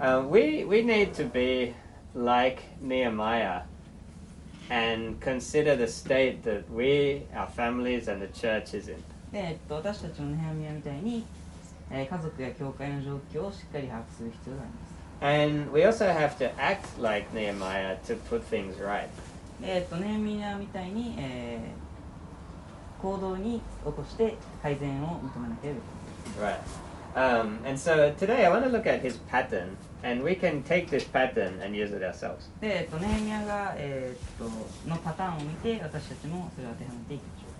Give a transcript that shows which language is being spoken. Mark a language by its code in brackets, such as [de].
[en] We need to be like Nehemiah and consider the state that we, our families, and the church is in. [ja] 私たちのネヘミヤみたいに、家族や教会の状況をしっかり把握する必要があります。 [en] And we also have to act like Nehemiah to put things right. [ja] ネヘミヤみたいに、行動に起こして改善を求めなければいけない。 [en] Right. And so today I want to look at his pattern, and we can take this pattern and use it ourselves. [ja] で、ネヘミヤが、のパターンを見て、私たちもそれを当てはめていきましょう。